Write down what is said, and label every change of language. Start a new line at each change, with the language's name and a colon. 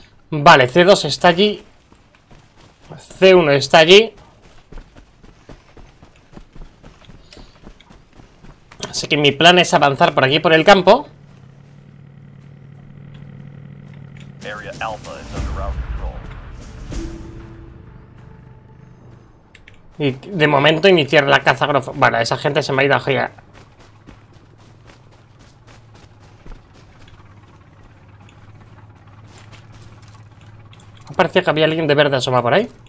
Spanish: Vale, C2 está allí. C1 está allí. Así que mi plan es avanzar por aquí, por el campo.
English: Area Alpha is under our control.
Spanish: Y de momento iniciar la caza. Vale, esa gente se me ha ido a girar. Parecía que había alguien de verde asoma por ahí.